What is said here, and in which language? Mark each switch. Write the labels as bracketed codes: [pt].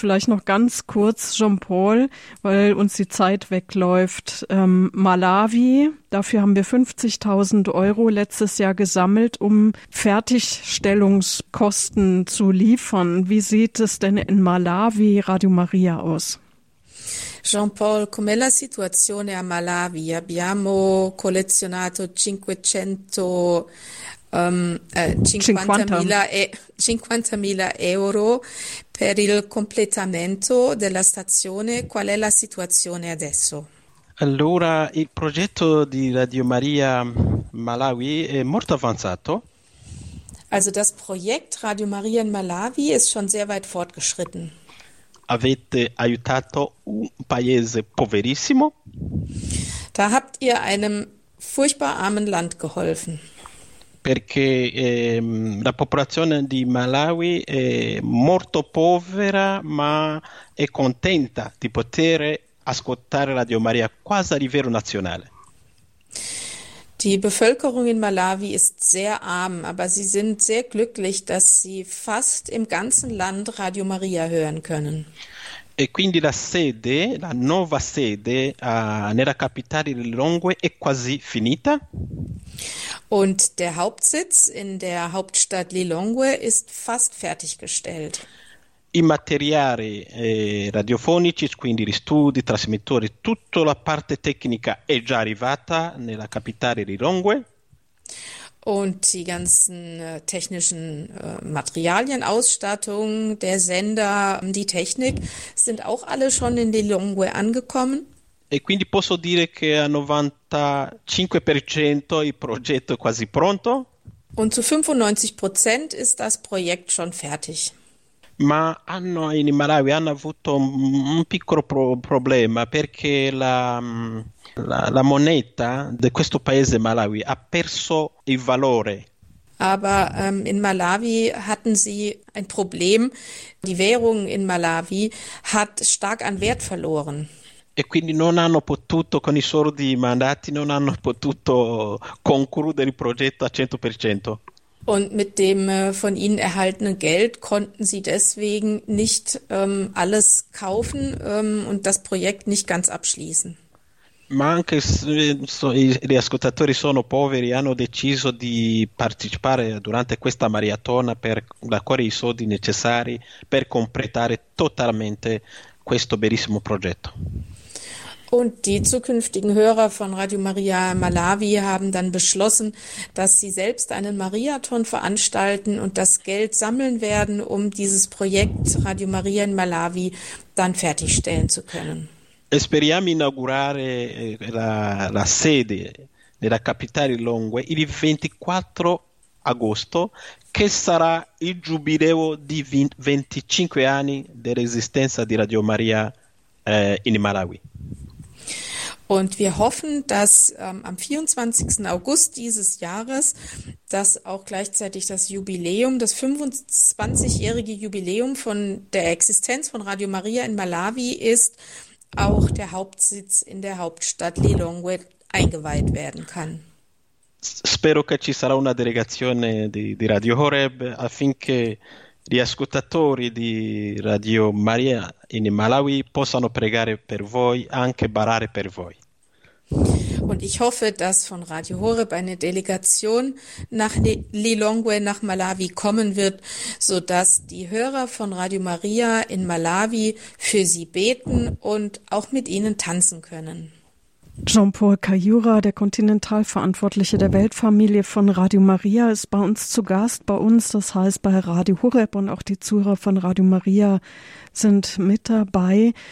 [de] Vielleicht noch ganz kurz, Jean-Paul, weil uns die Zeit wegläuft. Malawi, dafür haben wir 50.000 Euro letztes Jahr gesammelt, um Fertigstellungskosten zu liefern. Wie sieht es denn in Malawi, Radio Maria, aus? [it] Jean-Paul, com'è la situazione a Malawi? Abbiamo collezionato 50.000 euro per il completamento della stazione. Qual è la situazione adesso? Allora, il progetto di Radio Maria Malawi è molto avanzato. [de] Also das Projekt Radio Maria in Malawi ist schon sehr weit fortgeschritten. [it] Avete aiutato un paese poverissimo. [de] Da habt ihr einem furchtbar armen Land geholfen. [it] Perché la popolazione di Malawi è molto povera, ma è contenta di poter ascoltare Radio Maria quasi a livello nazionale. [de] Die Bevölkerung in Malawi ist sehr arm, aber sie sind sehr glücklich, dass sie fast im ganzen Land Radio Maria hören können. [it] E quindi la sede, la nuova sede nella capitale del Lilongwe è quasi finita. [de] Und der Hauptsitz in der Hauptstadt Lilongwe ist fast fertiggestellt. [it] I materiali radiofonici, quindi gli studi, i trasmettori, tutta la parte tecnica è già arrivata nella capitale Lilongwe. [de] Und die ganzen technischen Materialien, Ausstattung, der Sender, die Technik sind auch alle schon in Lilongwe angekommen. [it] E quindi posso dire che al 95% il progetto è quasi pronto. [de] Und zu 95% ist das Projekt schon fertig. [it] Ma hanno in Malawi hanno avuto un piccolo problema perché la moneta di questo paese Malawi ha perso il valore. [de] Aber in Malawi hatten sie ein Problem. Die Währung in Malawi hat stark an Wert verloren. [it] E quindi non hanno potuto con i soldi mandati non hanno potuto concludere il progetto al 100%. [de] Und mit dem von ihnen erhaltenen Geld konnten sie deswegen nicht alles kaufen und das Projekt nicht ganz abschließen. [it] Ma anche gli ascoltatori sono poveri, hanno deciso di partecipare durante questa maratona per raccogliere i soldi necessari per completare totalmente questo bellissimo progetto. [de] Und die zukünftigen Hörer von Radio Maria Malawi haben dann beschlossen, dass sie selbst einen Mariathon veranstalten und das Geld sammeln werden, um dieses Projekt Radio Maria in Malawi dann fertigstellen zu können. [it] E speriamo inaugurare la sede nella capitale Lilongwe il 24 agosto, che sarà il giubileo di 25 anni dell'esistenza di Radio Maria in Malawi. [de] Und wir hoffen, dass am 24. August dieses Jahres, dass auch gleichzeitig das Jubiläum, das 25-jährige Jubiläum von der Existenz von Radio Maria in Malawi ist, auch der Hauptsitz in der Hauptstadt Lilongwe eingeweiht werden kann. [it] Spero che ci sarà una delegazione di Radio Horeb affinché gli ascoltatori di Radio Maria in Malawi possano pregare per voi, anche barare per voi. [de] Und ich hoffe, dass von Radio Horeb eine Delegation nach Lilongwe, nach Malawi kommen wird, sodass die Hörer von Radio Maria in Malawi für sie beten und auch mit ihnen tanzen können. Jean-Paul Kayura, der Kontinentalverantwortliche der Weltfamilie von Radio Maria, ist bei uns zu Gast, bei uns, das heißt bei Radio Horeb, und auch die Zuhörer von Radio Maria sind mit dabei.